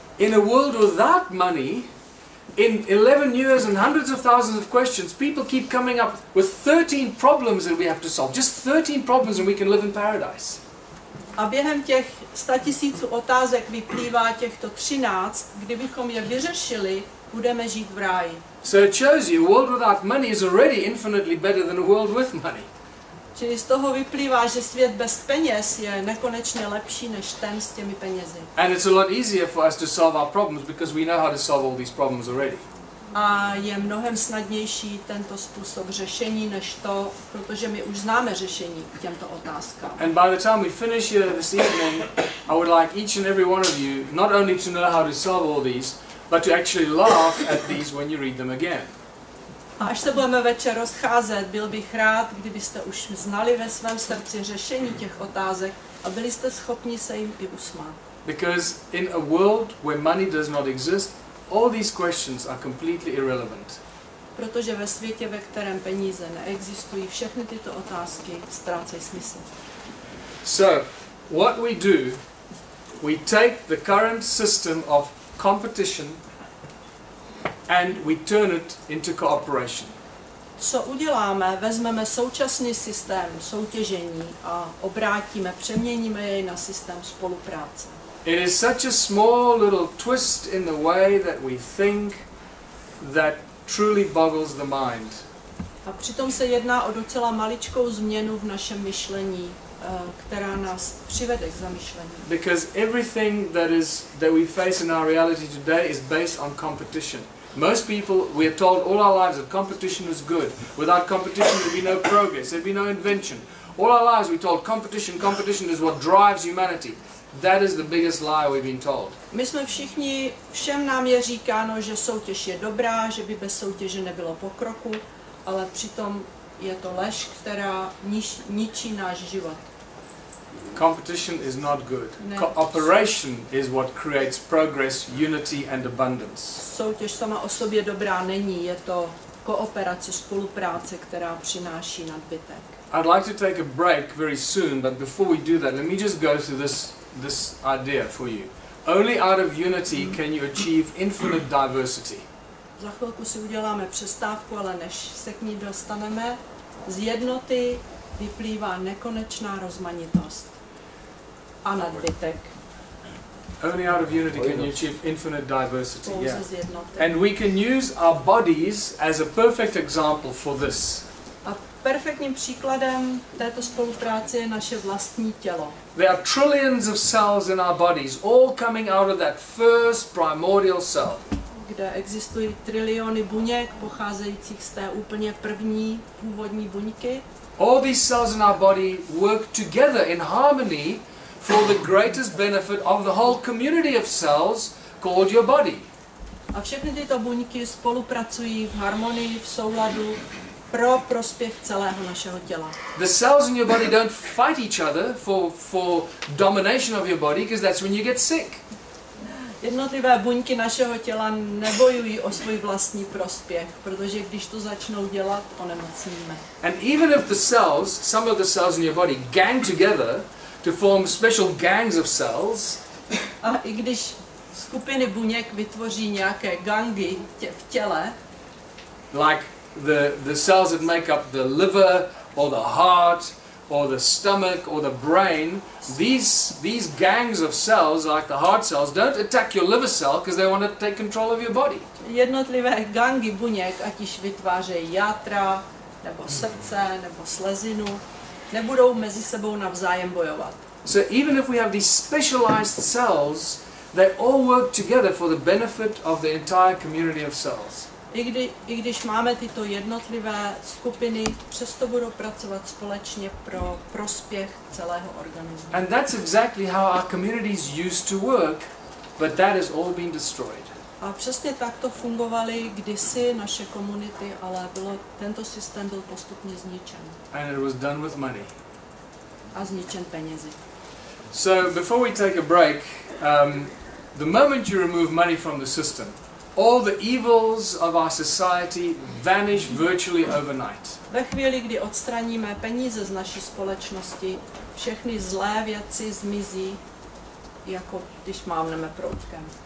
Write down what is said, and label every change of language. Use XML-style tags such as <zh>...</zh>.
<en>In a world without money, in 11 years and hundreds of thousands of questions, people keep coming up with 13 problems that we have to solve. Just 13 problems and we can live in paradise.</en> <cs>A během těch 100 tisíců otázek vyplývá těchto 13, kdybychom je vyřešili, budeme žít v ráji.</cs> <en>So it shows you, a world without money is already infinitely better than a world with money.</en> <cs>Čili z toho vyplývá, že svět bez peněz je nekonečně lepší než ten s těmi penězi.</cs> <en>And it's a lot easier for us to solve our problems because we know how to solve all these problems already.</en> <cs>a je mnohem snadnější tento způsob řešení než to, protože my už známe řešení k těmto otázkám.</cs> <en>And by the time we finish here this evening, I would like each and every one of you not only to know how to solve all these, but to actually laugh at these when you read them again.</en> <cs>A až se budeme večer rozcházet, byl bych rád, kdybyste už znali ve svém srdci řešení těch otázek a byli jste schopni se jim i usmát.</cs> <en>Because in a world where money does not exist, all these questions are completely irrelevant.</en> <cs>Protože ve světě, ve kterém peníze neexistují, všechny tyto otázky ztrácejí smysl.</cs> <en>So, what we do, we take the current system of competition and we turn it into cooperation.</en> <cs>Co uděláme, vezmeme současný systém soutěžení a obrátíme, přeměníme jej na systém spolupráce.</cs> <en>It is such a small little twist in the way that we think that truly boggles the mind.</en> <cs>A přitom se jedná o docela maličkou změnu v našem myšlení, která nás přivede k zamyšlení.</cs> <en>Because everything that we face in our reality today is based on competition. Most people, we are told all our lives that competition is good. Without competition, there'd be no progress, there'd be no invention. All our lives, we're told competition is what drives humanity. That is the biggest lie we've been told.</en> <cs>My jsme všichni, všem nám je říkáno, že soutěž je dobrá, že by bez soutěže nebylo pokroku, ale přitom je to lež, která ničí náš život.</cs> <en>Competition is not good. Ne. Cooperation is what creates progress, unity and abundance.</en> <cs>Soutěž sama o sobě dobrá není, je to kooperace, spolupráce, která přináší nadbytek.</cs> <en>I'd like to take a break very soon, but before we do that, let me just go through this idea for you. Only out of unity can you achieve infinite diversity.</en> <cs>Za chvilku si uděláme přestávku, ale než se k ní dostaneme, z jednoty vyplývá nekonečná rozmanitost a nadbytek.</cs> <en>Only out of unity can you achieve infinite diversity. Yeah. And we can use our bodies as a perfect example for this.</en> <cs>Perfektním příkladem této spolupráce je naše vlastní tělo.</cs> <en>There are trillions of cells in our bodies, all coming out of that first primordial cell.</en> <cs>Kde existují triliony buněk pocházejících z té úplně první původní buňky.</cs> <en>All these cells in our body work together in harmony for the greatest benefit of the whole community of cells called your body.</en> <cs>A všechny tyto buňky spolupracují v harmonii, v souladu pro prospěch celého našeho těla.</cs> <en>The cells in your body don't fight each other for domination of your body, because that's when you get sick.</en> <cs>Jednotlivé buňky našeho těla nebojují o svůj vlastní prospěch, protože když to začnou dělat, onemocníme.</cs> <en>And even if the cells, some of the cells in your body gang together to form special gangs of cells.</en> <cs>A i když skupiny buněk vytvoří nějaké gangy v těle,</cs> <en>like the cells that make up the liver or the heart or the stomach or the brain, these gangs of cells like the heart cells don't attack your liver cell because they want to take control of your body.</en> <cs>Jednotlivé gangy buněk, ať již vytvářejí játra nebo srdce nebo slezinu, nebudou mezi sebou navzájem bojovat.</cs> <en>So even if we have these specialized cells, they all work together for the benefit of the entire community of cells.</en> <cs>I když máme tyto jednotlivé skupiny, přesto budou pracovat společně pro prospěch celého organismu.</cs> <en>And that's exactly how our communities used to work, but that has all been destroyed.</en> <cs>A přesně tak to fungovaly kdysi naše komunity, ale tento systém byl postupně zničen.</cs> <en>And it was done with money.</en> <cs>A zničen penězi.</cs> <en>So before we take a break, the moment you remove money from the system, all the evils of our society vanish virtually overnight.</en> <cs>Ve chvíli, kdy odstraníme peníze z naší společnosti, všechny zlé věci zmizí, jako když mávneme proutkem.</cs>